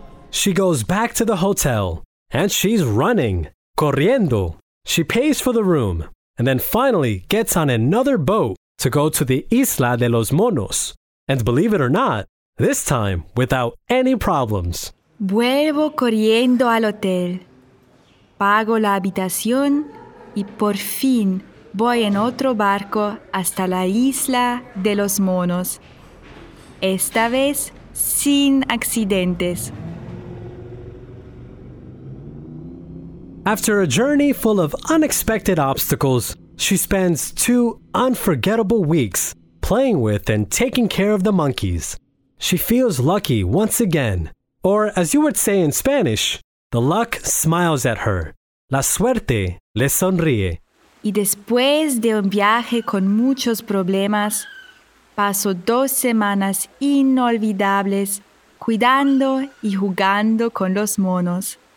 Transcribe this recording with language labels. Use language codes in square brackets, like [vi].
[en] She goes back to the hotel, and she's running, corriendo. She pays for the room, and then finally gets on another boat to go to the Isla de los Monos. And believe it or not, this time without any problems. [es] Vuelvo corriendo al hotel. Pago la habitación y por fin voy en otro barco hasta la Isla de los Monos. Esta vez sin accidentes. [en] After a journey full of unexpected obstacles, she spends two unforgettable weeks playing with and taking care of the monkeys. She feels lucky once again. Or, as you would say in Spanish, the luck smiles at her. [es] La suerte le sonríe. Y después de un viaje con muchos problemas, paso dos semanas inolvidables cuidando y jugando con los monos.